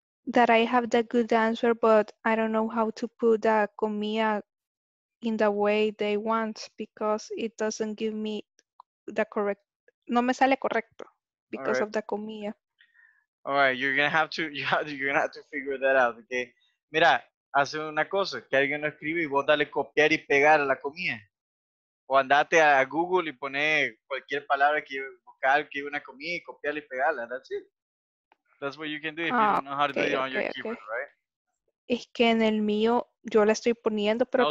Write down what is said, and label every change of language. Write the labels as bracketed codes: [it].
[en] That I have the good answer, but I don't know how to put the comilla in the way they want because it doesn't give me the correct... [es] No me sale correcto. [en] Because of the comilla. All right, you're gonna have to figure that out, okay? [es] Mira, hace una cosa, que alguien no escribe y vos dale copiar y pegar a la comilla. O andate a Google y pone cualquier palabra que vocal que una comilla y copiarla y pegarla. [en] That's it. That's what you can do if you don't know how to do it on your keyboard, right? [es] Es que en el mío yo la estoy poniendo, pero